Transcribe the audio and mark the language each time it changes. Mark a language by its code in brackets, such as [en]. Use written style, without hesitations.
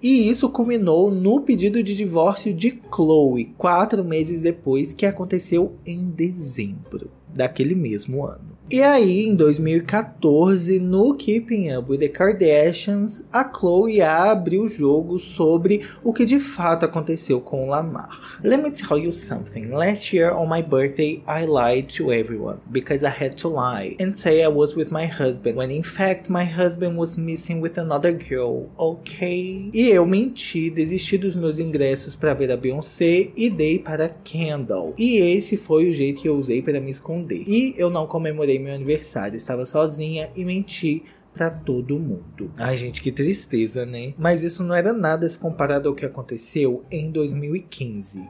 [pt] E isso culminou no pedido de divórcio de Chloe, 4 meses depois, que aconteceu em dezembro daquele mesmo ano. E aí, em 2014, no Keeping Up with the Kardashians, a Khloe abre o jogo sobre o que de fato aconteceu com o Lamar. [en] Let me tell you something. Last year, on my birthday, I lied to everyone because I had to lie and say I was with my husband, when in fact, my husband was missing with another girl, ok? [pt] E eu menti, desisti dos meus ingressos para ver a Beyoncé e dei para Kendall. E esse foi o jeito que eu usei para me esconder. E eu não comemorei meu aniversário, estava sozinha e menti pra todo mundo. Ai, gente, que tristeza, né? Mas isso não era nada se comparado ao que aconteceu em 2015.